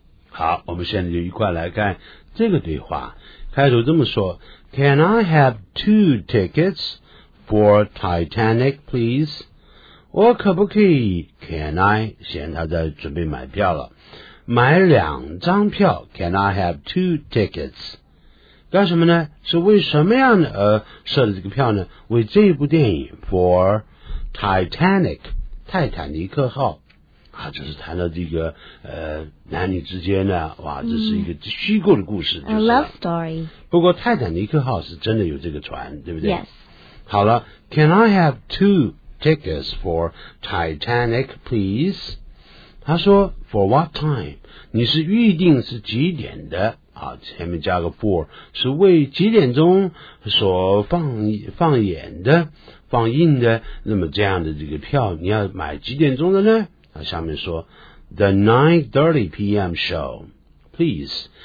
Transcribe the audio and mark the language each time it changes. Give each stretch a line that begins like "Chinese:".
Chinese: 好，我们现在就一块来看这个对话。开头这么说，
English: Can I have 2 tickets for Titanic, please?
Chinese: 我可不可以 ？
English: Can I？
Chinese: 显然他在准备买票了，买两张票。
English: Can I have 2 tickets？
Chinese: 干什么呢？是为什么样的设的这个票呢？为这部电影 ，
English: For Titanic，
Chinese: 泰坦尼克号啊，就是谈到这个男女之间呢，哇，这是一个虚构的故事，就是
English: a love story。
Chinese: 不过泰坦尼克号是真的有这个船，对不对
English: ？Yes。
Chinese: 好了
English: ，Can I have 2？ Tickets for Titanic, please.
Chinese: 他说
English: for what time?
Chinese: 你是预定是几点的啊？前面加个 for 是为几点钟所放演的、放映的？那么这样的这个票你要买几点钟的呢？他下面说
English: the 9:30 p.m. show, please.